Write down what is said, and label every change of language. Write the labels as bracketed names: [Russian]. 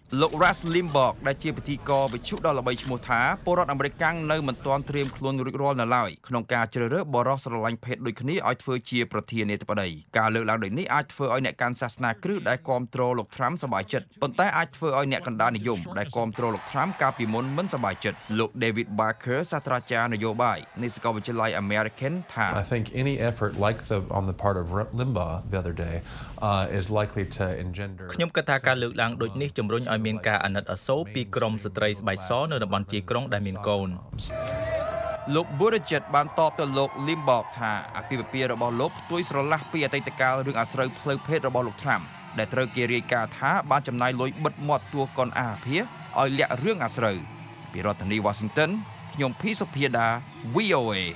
[Khmer] លោក Ras Limbaugh ដែលជាវិទ្យករវិទ្យុដ៏ល្បីឈ្មោះថាពលរដ្ឋអាមេរិកាំងនៅមិនទាន់ត្រៀមខ្លួនរួចរាល់នៅឡើយក្នុងការជ្រើសរើសបរិសុទ្ធស្រឡាញ់ភេទដូចគ្នាឲ្យធ្វើជាប្រធានាធិបតីការលើកឡើងដូចនេះអាចធ្វើឲ្យអ្នកកាន់សាសនាគ្រឹះដែលគ្រប់គ្រងលោក Trump សប្បាយចិត្តប៉ុន្តែអាចធ្វើឲ្យអ្នកកណ្ដាលនិយមដែលគ្រប់គ្រងលោក Trump កាលពីមុនមិនសប្បាយចិត្តលោក David Barker សាស្ត្រាចារ្យនយោបាយនៃសាកលវិទ្យាល័យ American ថា [English] I think any effort like theon the part of Limbaugh the other day is likely to engender [Khmer] ខ្ញុំគិតថាការលើកឡើងដូចនេះជំរុញឲ្យមានការអាណិតអាសូរពីក្រុមស្ត្រីស្បែកសនៅតំបន់ជាយក្រុងដែលមានកូន លោកបូរិចិតបានតបទៅលោក Limbaugh ថាអភិបាលរបស់លោកផ្ទុយស្រឡះពីអតីតកាលរឿងអាស្រូវផ្លូវភេទរបស់លោក Trump ដែលត្រូវគេរាយការណ៍ថាបានចំណាយលុយបិទមាត់ទួកនអាភិបាលឲ្យលាក់រឿងអាស្រូវពីរដ្ឋធានី Washington ខ្ញុំភីសុភាដា VOA